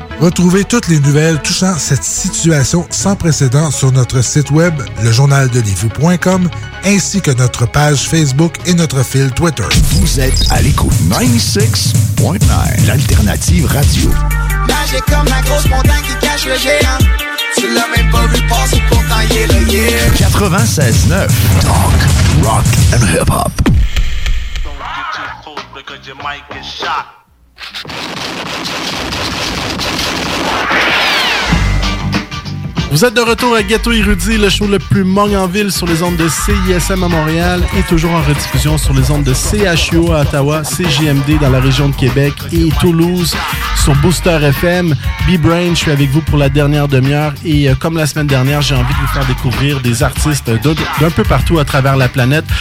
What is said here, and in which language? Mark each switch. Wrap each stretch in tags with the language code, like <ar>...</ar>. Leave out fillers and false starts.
<fr>Retrouvez toutes les nouvelles touchant cette situation sans précédent sur notre site web, lejournaldelévy.com, ainsi que notre page Facebook et notre fil Twitter. Vous êtes à l'écoute 96.9, l'alternative radio. Magique comme la grosse montagne qui cache le géant. Tu l'as même pas vu passer pourtant y'est le yeah.</fr> <en>96.9 Talk, rock and hip hop. Don't get too close because your mic is shot.</en> <fr>Vous êtes de retour à Ghetto Erudit, le show le plus mong en ville sur les ondes de CISM à Montréal et toujours en rediffusion sur les ondes de CHUO à Ottawa, CJMD dans la région de Québec et Toulouse sur Booster FM. B-Brain, je suis avec vous pour la dernière demi-heure et comme la semaine dernière, j'ai envie de vous faire découvrir des artistes d'un peu partout à travers la planète.</fr>